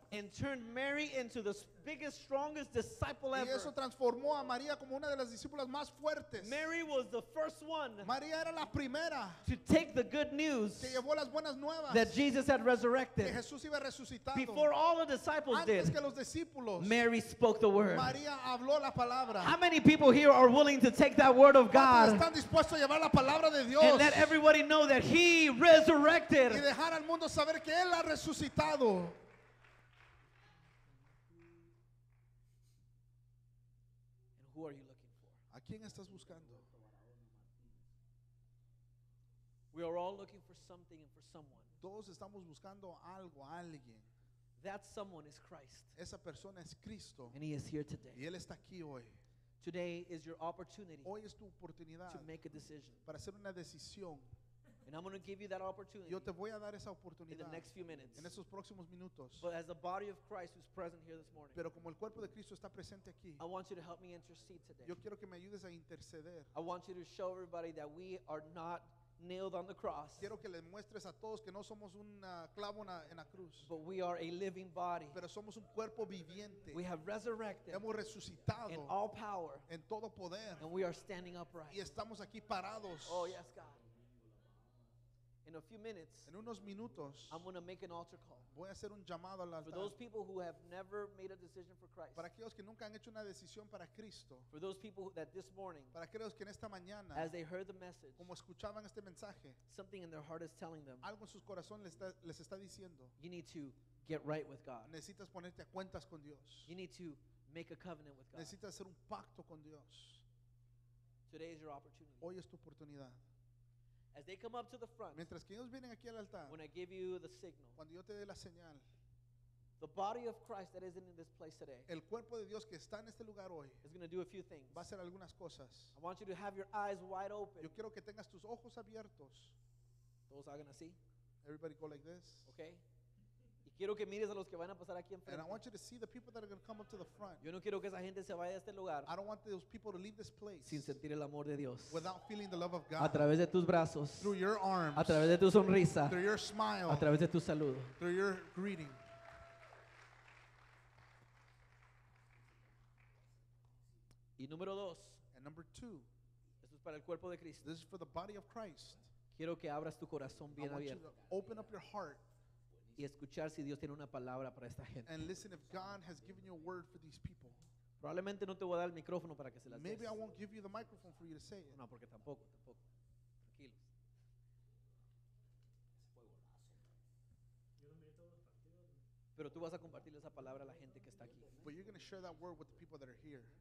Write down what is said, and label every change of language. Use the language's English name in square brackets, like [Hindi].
[English] And turned Mary into the biggest, strongest disciple ever. [Spanish] Y eso transformó a María como una de las discípulas más fuertes. [English] Mary was the first one. [Spanish] María era la primera. [English] To take the good news. [Spanish] Que llevó las buenas nuevas. [English] That Jesus had resurrected. [Spanish] Que Jesús iba resucitado. [English] Before all the disciples [Spanish] antes [English] did. [Spanish] Antes que los discípulos. [English] Mary spoke the word. [Spanish] María habló la palabra. [English] How many people here are willing to take that word of God? [Spanish] ¿Cuántos están dispuestos a llevar la palabra de Dios? [English] And let everybody know that he resurrected. [Spanish] Y dejar al mundo saber que él ha resucitado. [English] Who are you looking for? [Spanish] ¿A quién estás buscando? [English] We are all looking for something and for someone. [Spanish] Todos estamos buscando algo, alguien. [English] That someone is Christ. [Spanish] Esa persona es Cristo. [English] And he is here today. [Spanish] Y él está aquí hoy. [English] Today is your opportunity. [Spanish] Hoy es tu oportunidad. [English] To make a decision. [Spanish] Para hacer una decisión. [English] And I'm going to give you that opportunity. [Spanish] Yo te voy a dar esa oportunidad. [English] In the next few minutes. [Spanish] En esos próximos minutos. [English] But as the body of Christ who's present here this morning. [Spanish] Pero como el cuerpo de Cristo está presente aquí. [English] I want you to help me intercede today. [Spanish] Yo quiero que me ayudes a interceder. [English] I want you to show everybody that we are not nailed on the cross. [Spanish] Quiero que le muestres a todos que no somos un clavo en la cruz. [English] But we are a living body. [Spanish] Pero somos un cuerpo viviente. [English] We have resurrected. [Spanish] Hemos resucitado. [English] In all power. [Spanish] En todo poder. [English] And we are standing upright. [Spanish] Y estamos aquí parados. [English] Oh yes, God. In a few minutes, [Spanish] en unos minutos, [English] I'm going to make an altar call. [Spanish] Voy a hacer un llamado al altar. [English] For those people who have never made a decision for Christ. [Spanish] Para aquellos que nunca han hecho una decisión para Cristo. [English] For those people that this morning, [Spanish] para aquellos que en esta mañana, [English] as they heard the message, [Spanish] como escuchaban este mensaje, [English] something in their heart is telling them, [Spanish] algo en sus corazones les está diciendo, [English] you need to get right with God. [Spanish] Necesitas ponerte a cuentas con Dios. [English] You need to make a covenant with God. [Spanish] Necesitas hacer un pacto con Dios. [English] Today is your opportunity. [Spanish] Hoy es tu oportunidad. [English] As they come up to the front, [Spanish] mientras que ellos vienen aquí al altar, [English] when I give you the signal, [Spanish] cuando yo te dé la señal, [English] the body of Christ that is in this place today, [Spanish] el cuerpo de Dios que está en este lugar hoy, [English] is going to do a few things. [Spanish] Va a hacer algunas cosas. [English] I want you to have your eyes wide open. [Spanish] Yo quiero que tengas tus ojos abiertos. [English] Those are going to see. Everybody go like this. Okay. [Spanish] Y quiero que mires a los que van a pasar aquí enfrente. [English] And I want you to see the people that are going to come up to the front. [Spanish] Yo no quiero que esa gente se vaya de este lugar. [English] I don't want those people to leave this place. [Spanish] Sin sentir el amor de Dios. [English] Without feeling the love of God. [Spanish] A través de tus brazos. [English] Through your arms. [Spanish] A través de tu sonrisa. [English] Through your smile. [Spanish] A través de tu saludo. [English] Through your greeting. [Spanish] Y número dos. [English] And number two. [Spanish] Esto es para el cuerpo de Cristo. [English] This is for the body of Christ. [Spanish] Quiero que abras tu corazón bien abierto. [English] I want you to open up your heart. [Spanish] Y escuchar si Dios tiene una palabra para esta gente. [English] And listen if God has given you a word for these people. [Spanish] Probablemente no te voy a dar el micrófono para que se las des. [English] Maybe I won't give you the microphone for you to say it. [Spanish] No, porque tampoco. Tranquilos. Pero tú vas a compartir esa palabra a la gente que está aquí. [English] But you're going to share that word with the people that are here.